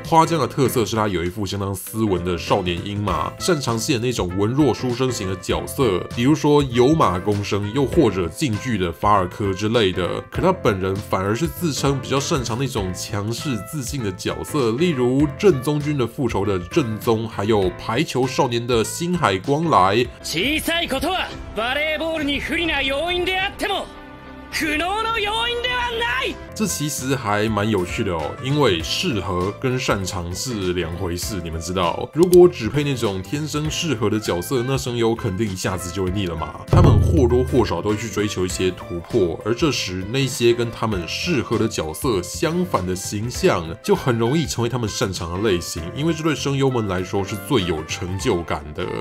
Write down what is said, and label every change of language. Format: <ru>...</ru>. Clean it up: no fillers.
<zh>花江的特色是他有一副相当斯文的少年音嘛，擅长饰演那种文弱书生型的角色，比如说有马公生，又或者近距的法尔科之类的。可他本人反而是自称比较擅长那种强势自信的角色，例如正宗军的复仇的正宗，还有排球少年的新海光来。</zh> <ja>小さいことはバレーボールに不利な要因であっても苦悩の要因ではない。</ja> <zh>这其实还蛮有趣的哦，因为适合跟擅长是两回事，你们知道。如果只配那种天生适合的角色，那声优肯定一下子就会腻了嘛。他们或多或少都会去追求一些突破，而这时那些跟他们适合的角色相反的形象，就很容易成为他们擅长的类型，因为这对声优们来说是最有成就感的。</zh>